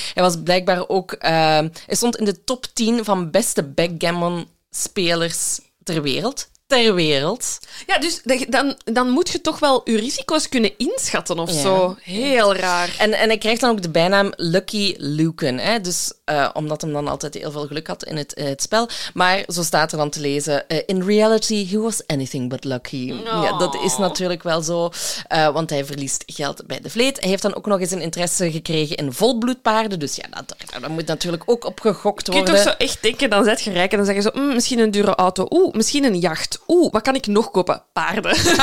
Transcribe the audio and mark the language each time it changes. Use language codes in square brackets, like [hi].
[nl] Hij was blijkbaar ook... hij stond in de top 10 van beste backgammon-spelers ter wereld. Ter wereld. Ja, dus dan moet je toch wel je risico's kunnen inschatten of zo. Heel raar. En hij krijgt dan ook de bijnaam Lucky Lucan. Hè? Dus omdat hem dan altijd heel veel geluk had in het spel. Maar zo staat er dan te lezen... [en] in reality, he was anything but lucky. No. [nl] Ja, dat is natuurlijk wel zo. Want hij verliest geld bij de vleet. Hij heeft dan ook nog eens een interesse gekregen in volbloedpaarden. Dus ja, dat moet natuurlijk ook opgegokt worden. Je kunt toch zo echt denken, dan zet je rijk en dan zeggen ze... misschien een dure auto. Misschien een jacht. Wat kan ik nog kopen? Paarden.